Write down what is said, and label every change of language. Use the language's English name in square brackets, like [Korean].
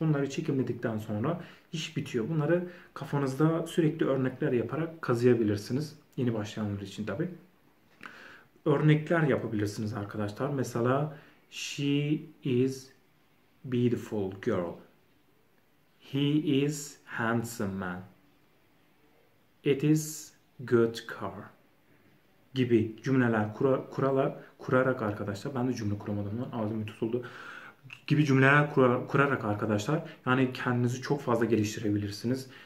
[Turkish] Bunları çekimledikten sonra iş bitiyor. Bunları kafanızda sürekli örnekler yaparak kazıyabilirsiniz. Yeni başlayanlar için tabii. Örnekler yapabilirsiniz arkadaşlar. Mesela [English] she is beautiful girl. He is handsome man. It is good car [Turkish] gibi cümleler kurarak arkadaşlar ben de cümle kuramadım ağzım tutuldu gibi cümleler kurarak arkadaşlar yani kendinizi çok fazla geliştirebilirsiniz.